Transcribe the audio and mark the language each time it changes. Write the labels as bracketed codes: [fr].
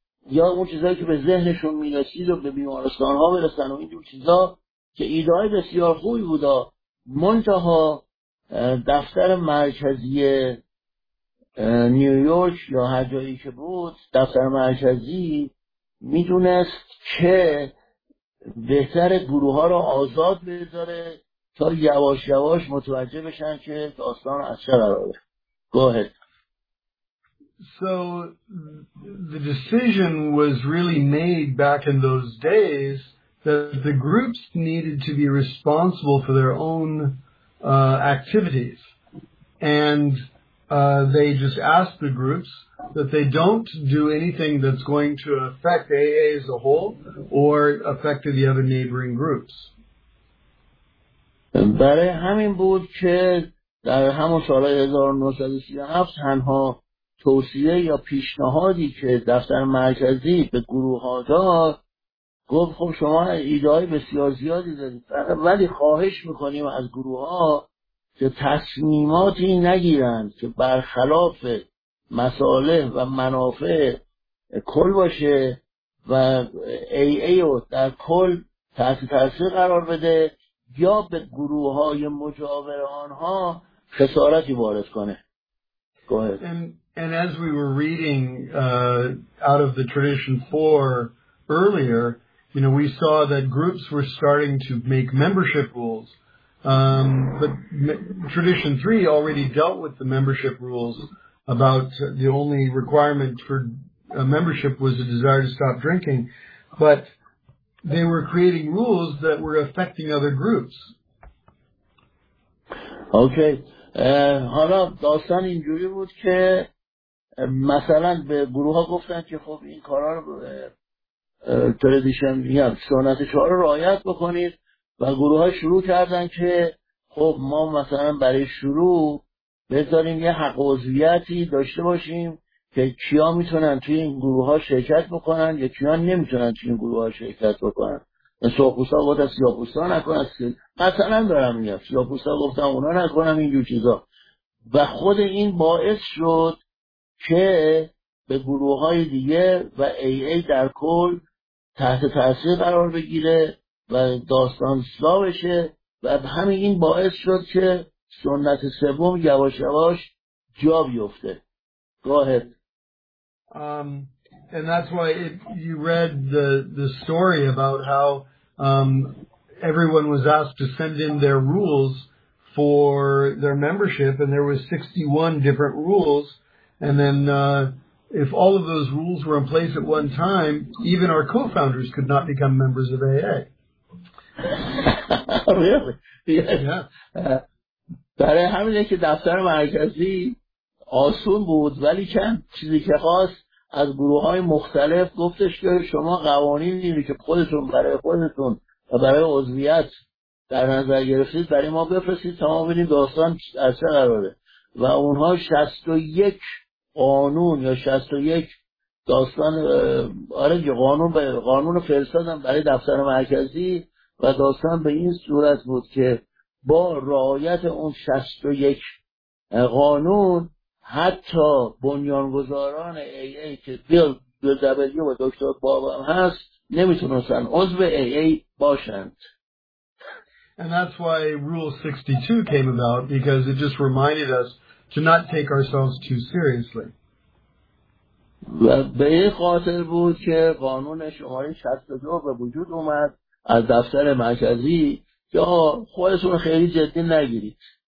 [fa] یا اون چیزایی که به ذهنشون میرسید و به بیمارستان ها برسن و اینجور چیزا که ایده های بسیار خوبی بودا منتها دفتر مرکزی نیویورک یا هر جایی که بود دفتر مرکزی میدونست که بهتر گروه ها رو آزاد بذاره تا یواش یواش متوجه بشن که داستان از چه قراره. [en] Go ahead. So the decision was really made back in those days that the groups needed to be responsible for their own activities, and they just ask the groups that they don't do anything that's going to affect AA as a whole or affect the other neighboring groups. [fa] برای همین بود که در همون سال 1937 تنها توصیه یا پیشنهادی که دفتر مرکزی به گروه ها داد گفت خب شما ایده‌های بسیار زیادی دارید ولی خواهش میکنیم از گروه ها که تصمیماتی نگیرند که برخلاف مصالح و منافع کل باشه و AA رو در کل تحت تاثیر قرار بده یا به گروه های مجاور آنها خسارتی وارد کنه. [en] Go ahead. And as we were reading out of the tradition 4 earlier, you know, we saw that groups were starting to make membership rules. But tradition 3 already dealt with the membership rules about the only requirement for a membership was a desire to stop drinking. But they were creating rules that were affecting other groups. Okay. [fa] حالا داستان اینجوری بود که مثلا به گروه ها گفتن که خب این کارا رو تردیشن یا سنت چهار رو رعایت بکنید و گروه ها شروع کردن که خب ما مثلا برای شروع بذاریم یه حق عضویتی داشته باشیم که کیا میتونن توی این گروه ها شرکت بکنن یا کیا نمیتونن توی این گروه ها شرکت بکنن. سیاپوستا گفتن سیاپوستا نکنن مثلا دارم میگم سیاپوستا گفتن اونا نکنن اینجور چیزا و خود این باعث شد که به گروه های دیگه و ای ای در کل تحت تاثیر قرار بگیره و داستان سلا بشه و همین این باعث شد که سنت سوم یواش یواش جا بیفته. [en] Go ahead. And that's why you read the story about how everyone was asked to send in their rules for their membership, and there was 61 different rules. And then if all of those rules were in place at one time, even our co-founders could not become members of AA. Really? Yeah. [fa] برای همینه که دفتر مرکزی آسون بود ولی چند چیزی که خواست از گروه های مختلف گفتش که شما قوانینی که خودتون برای خودتون و برای عضویت در نظر گرفتید برای ما بفرستید تمام ببینید داستان از چه قراره و اونها 61 قانون یا 61 داستان آره یه قانون به قانون فرستادن برای دفتر مرکزی و داستان به این صورت بود که با رعایت اون 61 قانون حتی بنیانگذاران ای ای که بیل دبلیو و دکتر بابم هست نمیتونستن عضو ای ای باشند. [en] And that's why rule 62 came about because it just reminded us to not take ourselves too seriously. [fa] و به این خاطر بود که قانون شماره 62 به وجود اومد از دفتر مرکزی یا خودتون خیلی جدی نگیرید.